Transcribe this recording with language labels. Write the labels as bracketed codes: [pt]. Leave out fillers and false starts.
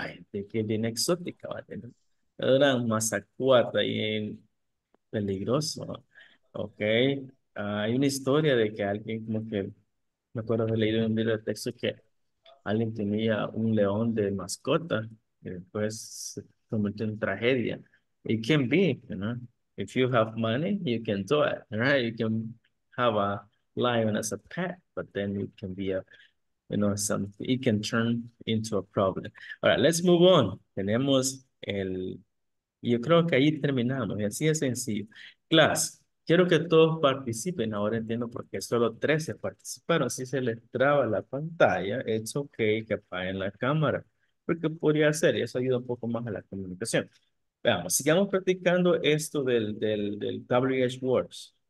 [es] Ay, de qué bien exótica va a tener. Era un mazacuata y peligroso. Okay. Hay una historia de que alguien, como que, me acuerdo de leer en un libro de texto que alguien tenía un león de mascota y después se convirtió en tragedia. [en] It can be, If you have money, you can do it, right? You can have a lion as a pet, but then it can be a, something, it can turn into a problem. All right, let's move on. [es] Tenemos el, yo creo que ahí terminamos, y así de sencillo. Class. Quiero que todos participen. Ahora entiendo por qué solo 13 participaron. Si se les traba la pantalla, es ok que apaguen la cámara. Porque podría ser, y eso ayuda un poco más a la comunicación. Veamos, sigamos practicando esto del WH Words.